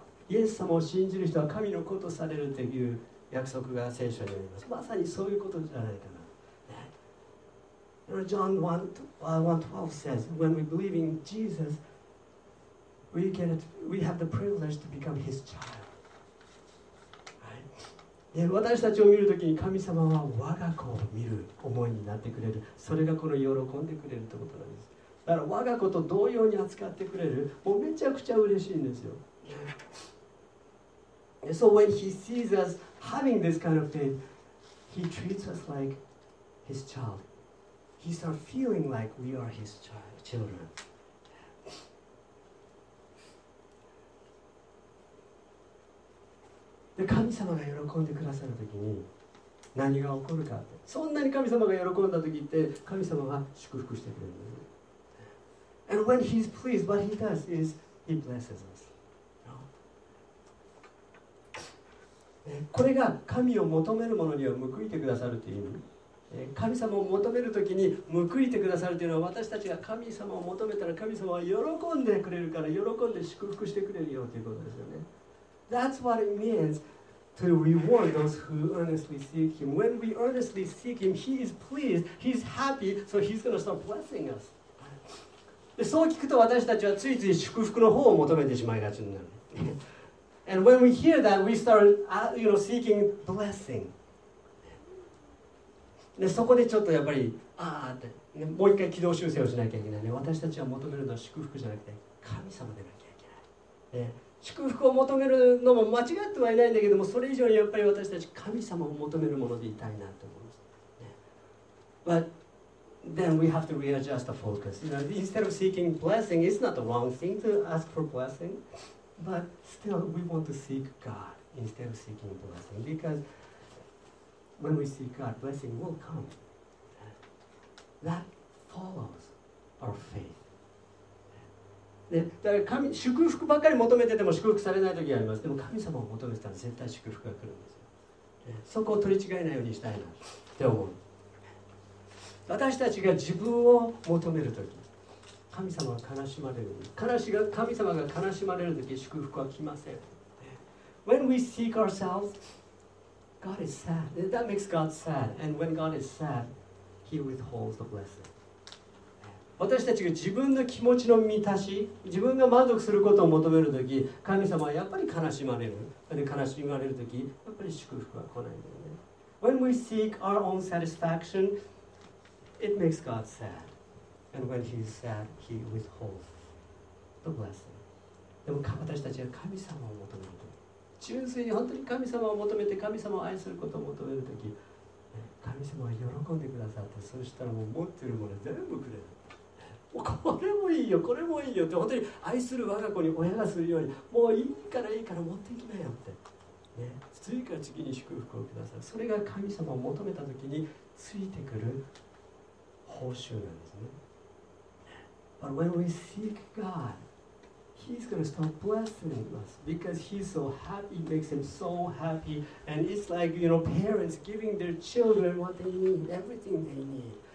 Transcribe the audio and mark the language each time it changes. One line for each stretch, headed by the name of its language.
Japanese: イエス様を信じる人は神の子とされるという約束が聖書にあります。まさにそういうことじゃないかな。
English: You know, John 1:12 says, When we believe in Jesus, we have the privilege to become his child.、 Right?
Japanese: 私たちを見るときに神様は我が子を見る思いになってくれる。それがこの喜んでくれるということなんです。だから我が子と同様に扱ってくれる、もうめちゃくちゃ嬉しいんですよ。
English: So when he sees us having this kind of faith, he treats us like his child. He starts feeling like we are his children.
Japanese: で神様が喜んでくださるときに何が起こるかって、そんなに神様が喜んだときって神様が祝福してくれるんです。
English: And when he's pleased, what he does is he blesses us. No?
Japanese: これが神を求める者には報いてくださるという意味。神様を求めるときに報いてくださるというのは、私たちが神様を求めたら神様は喜んでくれるから、喜んで祝福してくれるよということですよね。
English: That's what it means to reward those who earnestly seek him. When we earnestly seek him, he is pleased, he's happy, so he's going to start blessing us.
Japanese: で、そう聞くと私たちはついつい祝福の方を求めてしまいがちになる。
English: And when we hear that, we start, you know, seeking blessing.
Japanese: で、そこでちょっとやっぱり、ああって、ね、もう一回軌道修正をしなきゃいけないね。私たちは求めるのは祝福じゃなくて、神様でなきゃいけない。ね、祝福を求めるのも間違ってはいないんだけども、それ以上にやっぱり私たち神様を求めるものでいたいなと思います。ね、
English: But then we have to readjust the focus. You know, instead of seeking blessing, it's not the wrong thing to ask for blessing. But still, we want to seek God instead of seeking blessing. Because when we seek God, blessing will come. That follows our faith.
Japanese: ね、だから神祝福ばっかり求めてても祝福されない時があります。でも神様を求めてたら絶対祝福が来るんですよ、ね、そこを取り違えないようにしたいなって思う。私たちが自分を求める時、神様が悲しまれる、神様が悲しまれる時、祝福は来ません、ね、
English: When we seek ourselves, God is sad. That makes God sad. And when God is sad, He withholds the blessing.
Japanese: 私たちが自分の気持ちの満たし、自分が満足することを求めるとき、神様はやっぱり悲しまれる。で、悲しまれるとき、やっぱり祝福は来ないんだよね。
English: When we seek our own satisfaction, it makes God sad. And when He's sad, He withholds the blessing.
Japanese: でも私たちは神様を求めるとき、純粋に本当に神様を求めて、神様を愛することを求めるとき、神様は喜んでくださって、そうしたらもう持っているもの全部くれる。これもいいよ、これもいいよって、本当に愛する我が子に親がするように、もういいからいいから持ってきなよって、ね、次から次に祝福をください。それが神様を求めた時についてくる報酬なんですね。
English: But when we seek God, He's going to start blessing us because He's so happy, makes Him so happy, and it's like, you know, parents giving their children what they need, everything they need.